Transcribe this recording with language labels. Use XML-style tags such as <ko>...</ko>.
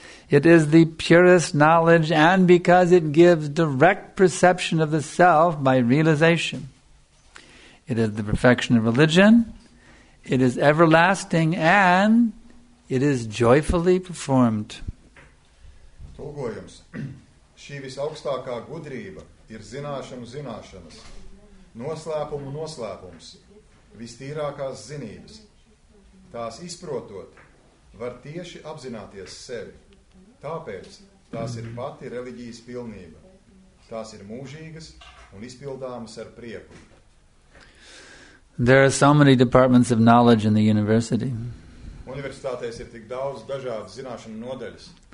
<en>It is the purest knowledge, and because it gives direct perception of the self by realization. It is the perfection of religion, it is everlasting, and it is joyfully performed. Ulgojums.</en> <lv>Šī visaugstākā gudrība ir zināšanu zināšanas, noslēpumu noslēpums, vistīrākās zinības. Tās izprotot, var tieši apzināties sevi. Tāpēc tās ir pati reliģijas pilnība. Tās ir mūžīgas un izpildāmas ar prieku.</lv> <en>There are so many departments of knowledge in the university.</en> <lv>Universitātēs ir tik daudz dažādas zināšanu nodaļas.</lv>